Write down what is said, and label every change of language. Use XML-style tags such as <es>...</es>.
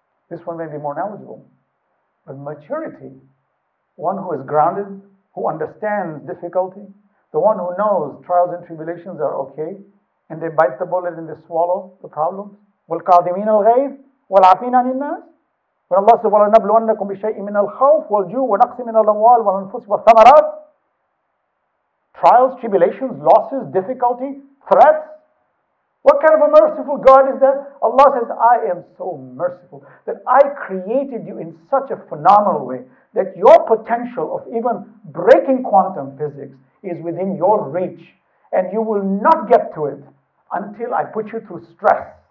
<en>This one may be more knowledgeable. But maturity, one who is grounded, who understands difficulty, the one who knows trials and tribulations are okay, and they bite the bullet and they swallow the problem.</en> <ar>وَالْقَادِمِينَ الْغَيْثِ وَالْعَافِينَ عَنِ النَّاسِ.</ar> <en>When Allah says,</en> <ar>وَلَنَبْلُوَنَّكُمْ بِشَيْءٍ مِنَ الْخَوْفِ وَالْجُوعِ وَنَقْصٍ مِنَ الْأَمْوَالِ وَالْأَنْفُسِ وَالثَّمَرَاتِ.</ar> <en>Trials, tribulations, losses, difficulty, threats. What kind of a merciful God is that? Allah says, I am so merciful that I created you in such a phenomenal way that your potential of even breaking quantum physics is within your reach, and you will not get to it until I put you through stress.</en>